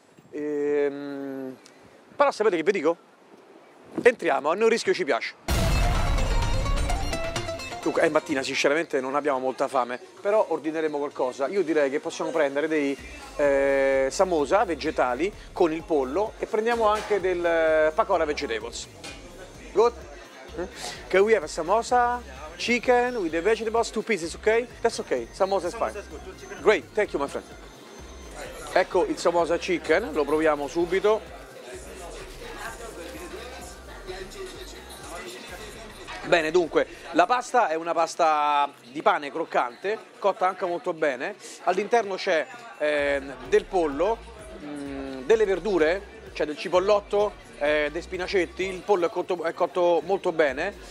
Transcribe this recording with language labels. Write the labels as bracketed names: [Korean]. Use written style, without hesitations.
[Italian] Però sapete che vi dico? Entriamo, a noi rischio ci piace. Dunque, è mattina, sinceramente non abbiamo molta fame, però ordineremo qualcosa. Io direi che possiamo prendere dei samosa vegetali con il pollo e prendiamo anche del pakora vegetables. [English] Good? Can we have a samosa, chicken with the vegetables, 2 pieces, ok? That's ok, samosa is fine. Great, thank you my friend. [Italian] Ecco il samosa chicken, lo proviamo subito. Bene, dunque, la pasta è una pasta di pane croccante, cotta anche molto bene. All'interno c'è del pollo, delle verdure, cioè del cipollotto, dei spinacetti, il pollo è cotto molto bene.